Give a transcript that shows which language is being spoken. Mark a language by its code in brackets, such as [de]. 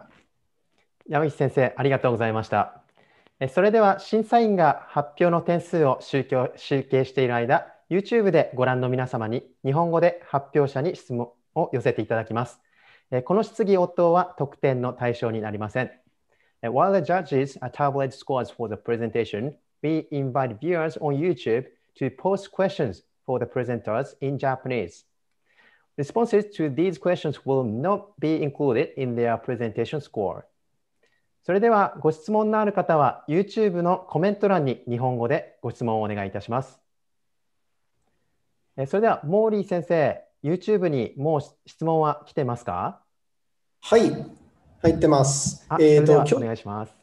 [ja] はい、山口先生ありがとうございました。それでは審査員が発表の点数を集計している間、 YouTube でご覧の皆様に日本語で発表者に質問を寄せていただきます。この質疑応答は得点の対象になりません。 [en] While the judges are tabulated scores for the presentation, we invite viewers on YouTube to post questions for the presenters in Japanese. Responses to these questions will not be included in their presentation score. [ja] それではご質問のある方は YouTube のコメント欄に日本語でご質問をお願いいたします。それではモーリー先生、YouTube にもう質問は来てますか？はい、入ってます。お願いします。